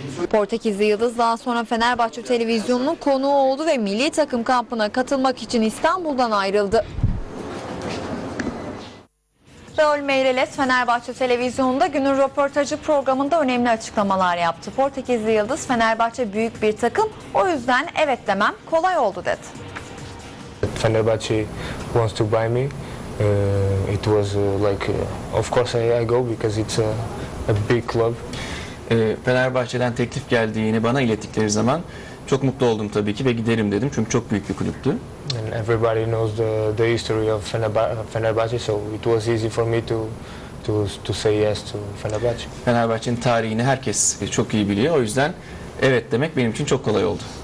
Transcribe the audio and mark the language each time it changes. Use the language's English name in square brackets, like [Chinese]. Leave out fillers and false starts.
[Turkish] Portekizli yıldız daha sonra Fenerbahçe televizyonunun konuğu oldu ve milli takım kampına katılmak için İstanbul'dan ayrıldı. Raul Meireles Fenerbahçe televizyonunda günün röportajı programında önemli açıklamalar yaptı. Portekizli yıldız Fenerbahçe büyük bir takım, o yüzden evet demem kolay oldu dedi. [English] Fenerbahçe wants to buy me. It was like of course I go because it's a big club. [Turkish] Fenerbahçe'den teklif geldiğini bana ilettikleri zaman çok mutlu oldum tabii ki ve giderim dedim çünkü çok büyük bir kulüptü. [English] And everybody knows the history of Fenerbahçe, so it was easy for me to say yes to Fenerbahçe. [Turkish] Fenerbahçe'nin tarihini herkes çok iyi biliyor, o yüzden evet demek benim için çok kolay oldu.